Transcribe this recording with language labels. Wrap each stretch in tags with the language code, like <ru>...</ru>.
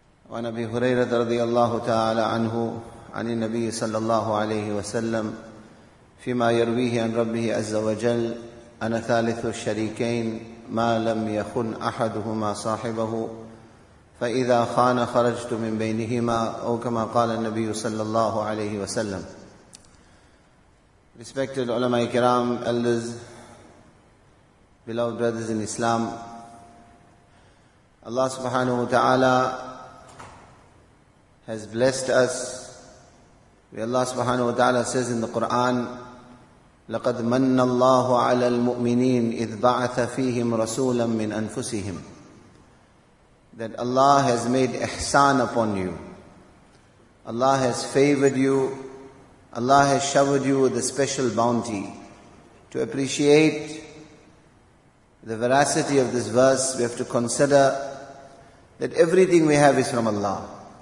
<ar>وعن أبي هريرة رضي الله تعالى عنه عن النبي صلى الله عليه وسلم فيما يرويه عن ربه عز وجل: أنا ثالث الشريكين، ما لم يخن أحدهما صاحبه فإذا خان خرجت من بينهما، أو كما قال النبي صلى الله عليه وسلم.</ar> <en>Respected ulama ikram, elders, beloved brothers in Islam, Allah subhanahu wa ta'ala has blessed us. Allah subhanahu wa ta'ala says in the Quran:</en> <ar>لَقَدْ مَنَّ اللَّهُ عَلَى الْمُؤْمِنِينَ إِذْ بَعَثَ فِيهِمْ رَسُولًا مِّنْ أَنفُسِهِمْ.</ar> <en>That Allah has made ihsan upon you. Allah has favored you. Allah has showered you with a special bounty. To appreciate the veracity of this verse, we have to consider that everything we have is from Allah.</en>